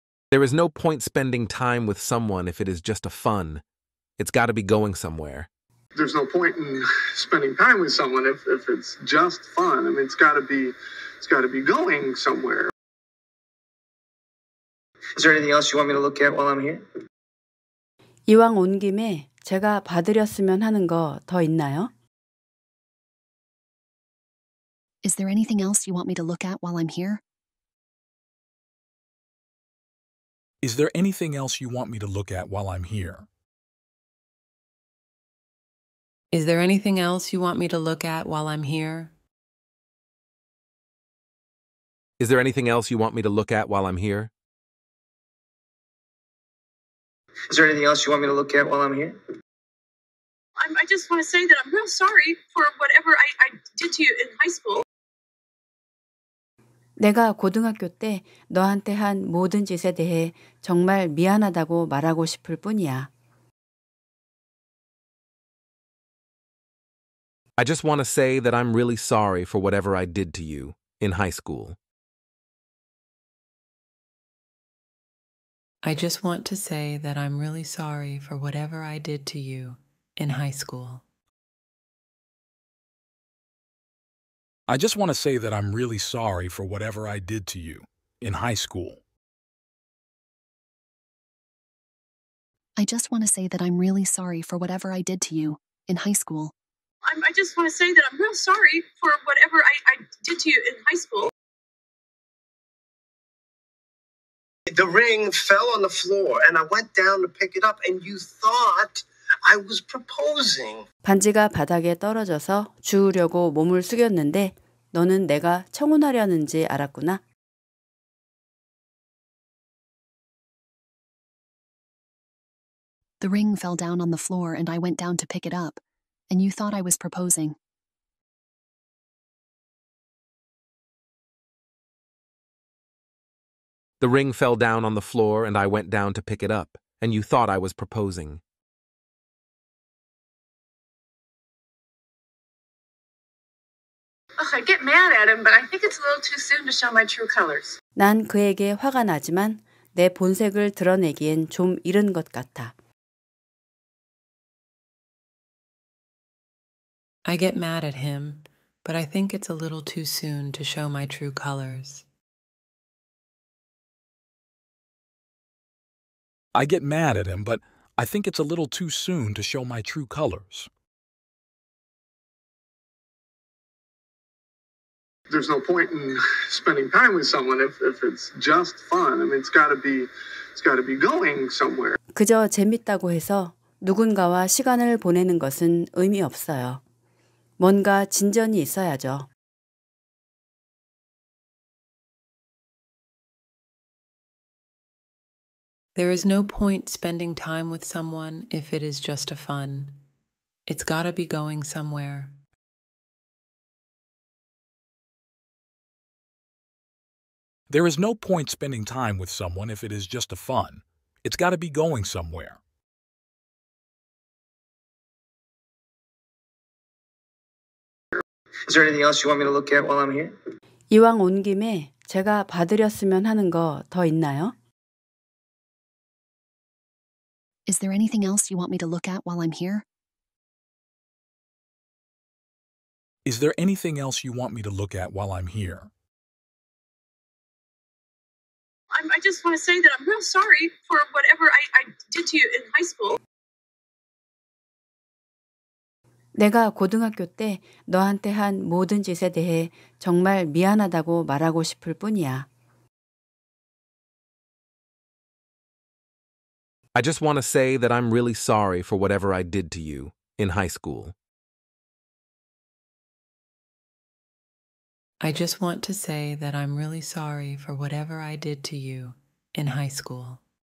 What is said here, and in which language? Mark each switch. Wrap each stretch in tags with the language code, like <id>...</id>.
<en>There is no point spending time with someone if it is just a fun. It's got to be going somewhere. There's no point in spending time with someone if it's just fun. I mean, it's got to be going somewhere. Is there anything else you want me to look at while I'm here?</en> <ko>이왕 온 김에 제가 봐드렸으면 하는 거 더 있나요?</ko> <en>Is there anything else you want me to look at while I'm here? Is there anything else you want me to look at while I'm here? Is there anything else you want me to look at while I'm here? Is there anything else you want me to look at while I'm here? Is there anything else you want me to look at while I'm here? I just want to say that I'm real sorry for whatever I did to you in high school.</en> <ko>내가 고등학교 때 너한테 한 모든 짓에 대해 정말 미안하다고 말하고 싶을 뿐이야.</ko> <en>I just want to say that I'm really sorry for whatever I did to you in high school. I just want to say that I'm really sorry for whatever I did to you in high school. I just want to say that I'm really sorry for whatever I did to you in high school. I just want to say that I'm really sorry for whatever I did to you in high school. I just want to say that I'm real sorry for whatever I did to you in high school. The ring fell on the floor and I went down to pick it up and you thought I was proposing.</en> <ko>반지가 바닥에 떨어져서 주우려고 몸을 숙였는데 너는 내가 청혼하려는지 알았구나.</ko> <en>The ring fell down on the floor and I went down to pick it up and you thought I was proposing. The ring fell down on the floor and I went down to pick it up and you thought I was proposing. Ugh, I get mad at him, but I think it's a little too soon to show my true colors.</en> <ko>난 그에게 화가 나지만 내 본색을 드러내기엔 좀 이른 것 같아.</ko> <en>I get mad at him, but I think it's a little too soon to show my true colors. I get mad at him, but I think it's a little too soon to show my true colors. There's no point in spending time with someone if it's just fun. I mean, it's got to be going somewhere.</en> <ko>그저 재밌다고 해서 누군가와 시간을 보내는 것은 의미 없어요. 뭔가 진전이 있어야죠.</ko> <en>There is no point spending time with someone if it is just a fun. It's got to be going somewhere. There is no point spending time with someone if it is just a fun. It's got to be going somewhere. Is there anything else you want me to look at while I'm here?</en> <ko>이왕 온 김에 제가 봐드렸으면 하는 거 더 있나요?</ko> <en>Is there anything else you want me to look at while I'm here? Is there anything else you want me to look at while I'm here? I just want to say that I'm real sorry for whatever I did to you in high school.</en> <ko>내가 고등학교 때 너한테 한 모든 짓에 대해 정말 미안하다고 말하고 싶을 뿐이야.</ko> <en>I just want to say that I'm really sorry for whatever I did to you in high school. I just want to say that I'm really sorry for whatever I did to you in high school.</en>